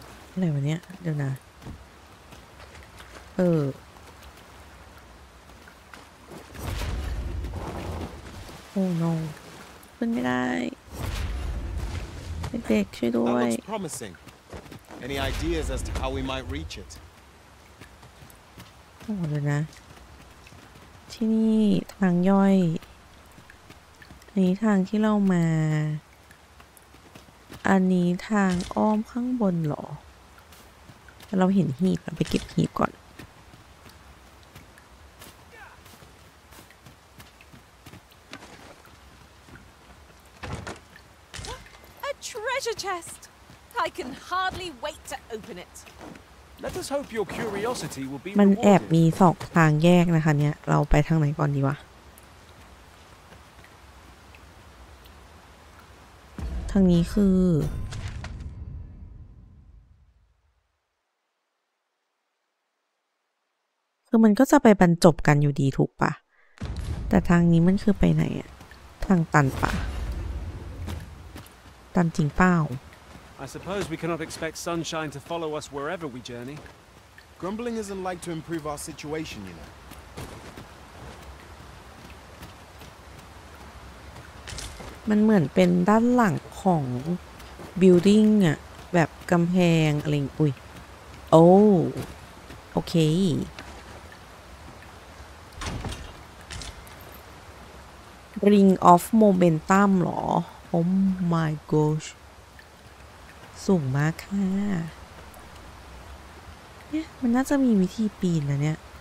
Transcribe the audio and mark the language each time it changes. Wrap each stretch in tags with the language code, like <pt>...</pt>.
<th>อะไรวะเนี่ยเดี๋ยวนะโอ้ no ขึ้นไม่ได้เด็กๆช่วยด้วย</th> <en>promising any ideas as to how we might reach it</en> <th>โอ้เดี๋ยวนะที่นี่ทางย่อยอันนี้ทางที่เรามาอันนี้ทางอ้อมข้างบนหรอเราเห็นหีบเราไปเก็บหีบก่อน</th> <en>A treasure chest. I can hardly wait to open it. Let us hope your curiosity will be.</en> <th>มันแอบมีสองทางแยกนะคะเนี่ยเราไปทางไหนก่อนดีวะทางนี้คือมันก็จะไปบรรจบกันอยู่ดีถูกป่ะแต่ทางนี้มันคือไปไหนอะทางตันป่ะตันจริงเปล่า</th> <en>I suppose we cannot expect sunshine to follow us wherever we journey. Grumbling isn't like to improve our situation, you know.</en> <th>มันเหมือนเป็นด้านหลังของ building อะแบบกำแพงอะไรอุ้ยโอ้โอเคRing of Momentum หรอ</th> <en>Oh my gosh</en> <th>สูงมากค่ะเนี่ยมันน่าจะมีวิธีปีนนะเนี่ย</th>